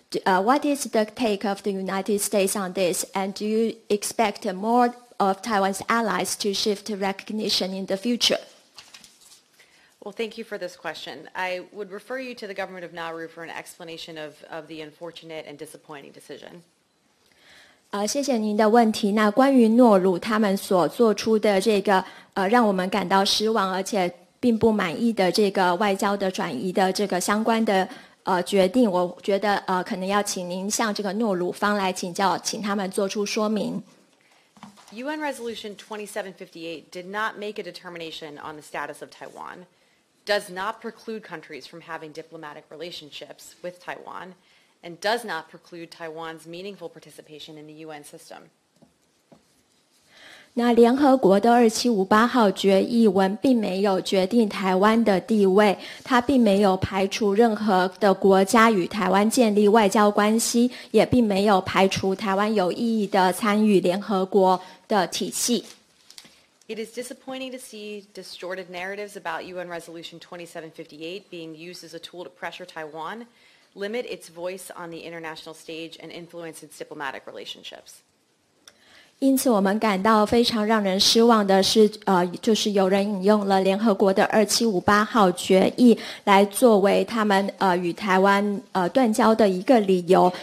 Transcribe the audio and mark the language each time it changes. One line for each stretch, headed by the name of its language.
English: What is the take of the United States on this, and do you expect more of Taiwan's allies to shift recognition in the future? Well, thank you for this question. I would refer you to the government of Nauru for an explanation of the unfortunate and disappointing decision.
Chinese: 谢谢您的问题。那关于诺鲁他们所做出的这个让我们感到失望而且并不满意的这个外交的转移的这个相关的决定，我觉得可能要请您向这个诺鲁方来请教，请他们做出说明。
English: UN Resolution 2758 did not make a determination on the status of Taiwan, does not preclude countries from having diplomatic relationships with Taiwan, and does not preclude Taiwan's meaningful participation in the UN system.
Chinese: 那联合国的2758号决议文并没有决定台湾的地位，它并没有排除任何的国家与台湾建立外交关系，也并没有排除台湾有意义的参与联合国的体系。
English: It is disappointing to see distorted narratives about UN Resolution 2758 being used as a tool to pressure Taiwan, limit its voice on the international stage, and influence its diplomatic relationships.
Chinese: 因此我们感到非常让人失望的是就是有人引用了联合国的2758号决议来作为他们与台湾断交的一个理由。